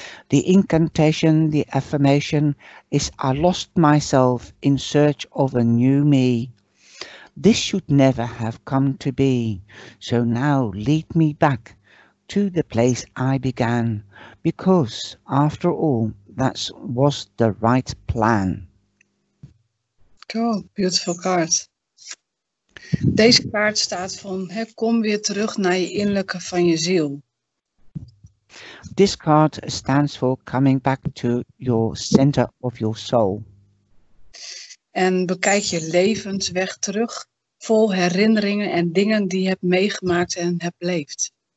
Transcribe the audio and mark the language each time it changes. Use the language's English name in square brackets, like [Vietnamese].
[English] The incantation, the affirmation is, I lost myself in search of a new me. This should never have come to be. So now lead me back to the place I began, because after all, that was the right plan. Cool, beautiful card. [Dutch] Deze kaart staat van, hè, kom weer terug naar je innerlijke van je ziel. [English] This card stands for coming back to your center of your soul. [Dutch] En bekijk je levensweg terug, vol herinneringen en dingen die je hebt meegemaakt en hebt beleefd.